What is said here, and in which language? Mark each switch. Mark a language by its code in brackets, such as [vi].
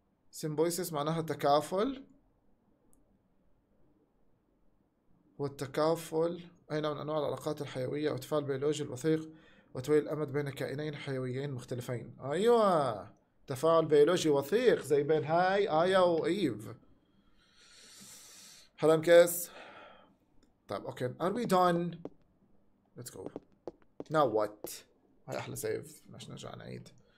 [ar] سيمبويسس معناها تكافل، والتكافل أي نوع من أنواع العلاقات الحيوية أو تفاعل بيولوجي الوثيق وتوي الأمد بين كائنين حيويين مختلفين. أيوة، تفاعل بيولوجي وثيق زي بين هاي آيا وإيف. هلا مكس. طيب أوكي، [en] are we done؟ Let's go. Now what? [ar] هاي أحلى سيف، مش نرجع نعيد.